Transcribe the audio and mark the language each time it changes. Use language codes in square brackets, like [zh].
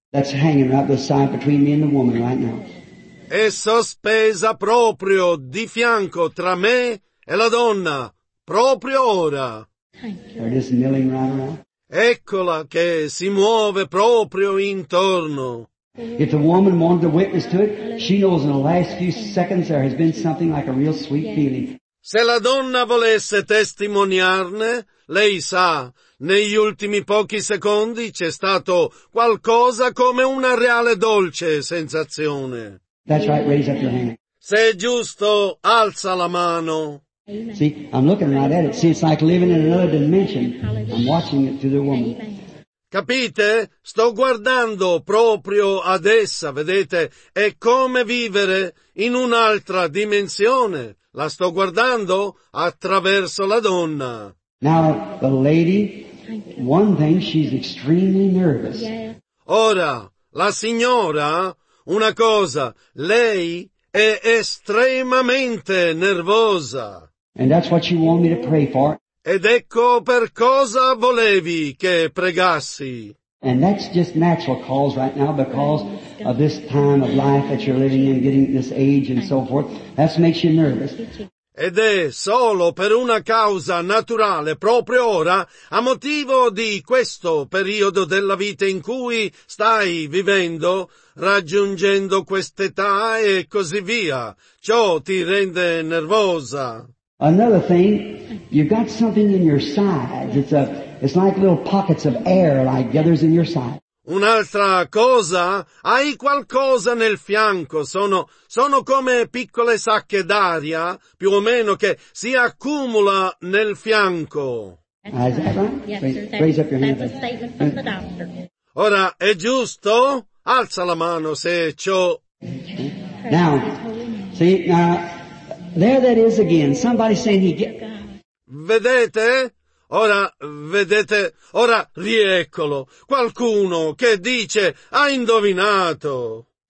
[en] That's hanging right beside between me and the woman right now. [it] È sospesa proprio di fianco tra me e la donna, proprio ora. [en] They're just milling right around. [it] Eccola che si muove proprio intorno. [en] If the woman wanted to witness to it, she knows in the last few seconds there has been something like a real sweet feeling. [it] Se la donna volesse testimoniarne, lei sa, negli ultimi pochi secondi c'è stato qualcosa come una reale dolce sensazione. [en] That's right, raise up your hand. [it] Se è giusto, alza la mano. [en] See, I'm looking right at it. See, it's like living in another dimension. I'm watching it through the woman. [it] Capite? Sto guardando proprio ad essa, vedete? È come vivere in un'altra dimensione. La sto guardando attraverso la donna. [en] Now, the lady, one thing, she's extremely nervous. Yeah. [it] Ora, la signora, una cosa, lei è estremamente nervosa. [en] And that's what you want me to pray for. [it] Ed ecco per cosa volevi che pregassi. [en] And that's just natural calls right now because of this time of life that you're living in, getting this age and so forth. That makes you nervous. [it] Ed è solo per una causa naturale, proprio ora, a motivo di questo periodo della vita in cui stai vivendo, raggiungendo quest'età e così via. Ciò ti rende nervosa. [en] Another thing, you've got something in your sides. It's like little pockets of air, like gathers in your side. [it] Un'altra cosa, hai qualcosa nel fianco. Sono come piccole sacche d'aria, più o meno, che si accumula nel fianco. [en] Is that right? Raise up your hand. That's a statement from the doctor. [it] Ora, è giusto? Alza la mano se ciò. [en] Now, see, now, there that is again. Somebody saying he get. [it] Vedete? Ora, vedete, ora rieccolo. Qualcuno che dice, ha indovinato.